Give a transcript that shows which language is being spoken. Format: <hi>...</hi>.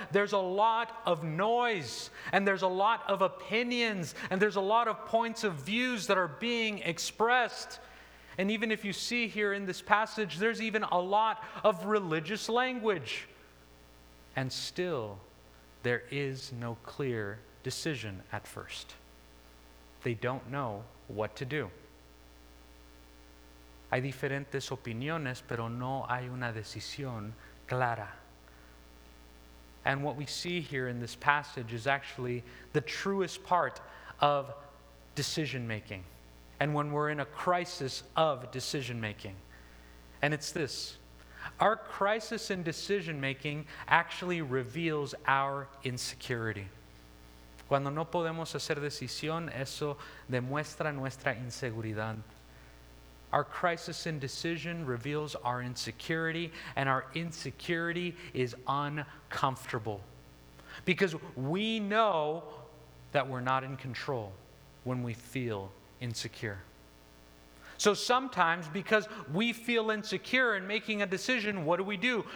<en>There's a lot of noise, and there's a lot of opinions, and there's a lot of points of views that are being expressed. And even if you see here in this passage, there's even a lot of religious language. And still, there is no clear decision at first. They don't know what to do.</en> <es>Hay diferentes opiniones, pero no hay una decisión clara.</es> <en>And what we see here in this passage is actually the truest part of decision making. And when we're in a crisis of decision making. And it's this. Our crisis in decision making actually reveals our insecurity.</en> <es>Cuando no podemos hacer decisión, eso demuestra nuestra inseguridad.</es> <en>Our crisis in decision reveals our insecurity, and our insecurity is uncomfortable. Because we know that we're not in control when we feel insecure. So sometimes, because we feel insecure in making a decision, what do?</en>